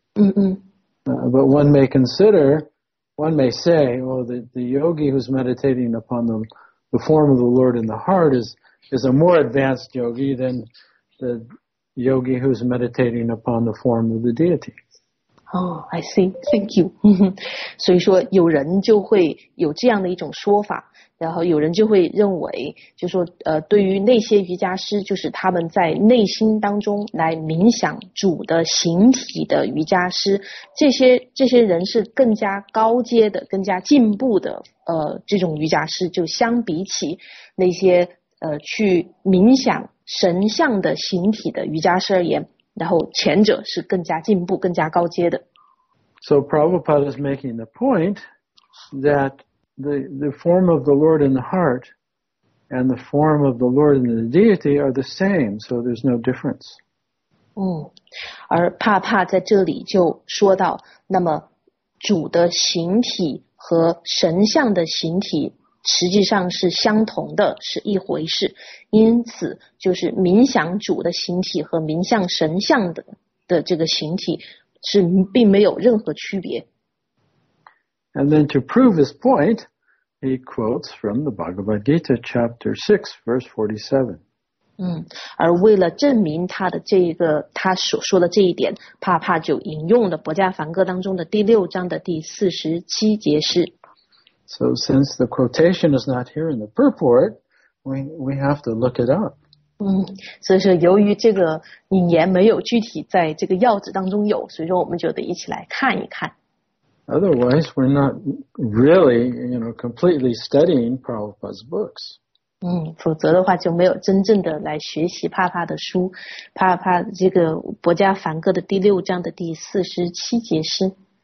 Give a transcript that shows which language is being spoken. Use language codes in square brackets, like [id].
[en] But one may consider, one may say, well, the yogi who's meditating upon the form of the Lord in the heart is a more advanced yogi than the yogi who's meditating upon the form of the deity. Oh, I see. Thank you. [zh] 所以说有人就会有这样的一种说法，然后有人就会认为，就说对于那些瑜伽师，就是他们在内心当中来冥想主的形体的瑜伽师，这些人是更加高阶的，更加进步的这种瑜伽师，就相比起那些去冥想神像的形体的瑜伽师而言，然后前者是更加进步、更加高阶的。 [en] So Prabhupada is making the point that the form of the Lord in the heart and the form of the Lord in the deity are the same, so there's no difference. [zh] 而帕帕在这里就说到，那么主的形体和神像的形体实际上是相同的，是一回事。因此就是冥想主的形体和冥想神像 的这个形体是并没有任何区别。 [en] And then to prove his point, he quotes from the Bhagavad Gita chapter 6, verse 47. [zh] 而为了证明他的这个他所说的这一点，帕帕就引用了《薄伽梵歌》当中的第六章的第47节诗。 [en] So since the quotation is not here in the purport, we have to look it up. [zh] 所以说由于这个引言没有具体在这个要旨当中有，所以说我们就得一起来看一看。 [en] Otherwise, we're not really, you know, completely studying Prabhupada's books. [zh] 否则的话就没有真正的来学习帕帕的书，帕帕这个《薄伽梵歌》的第六章的第47节诗。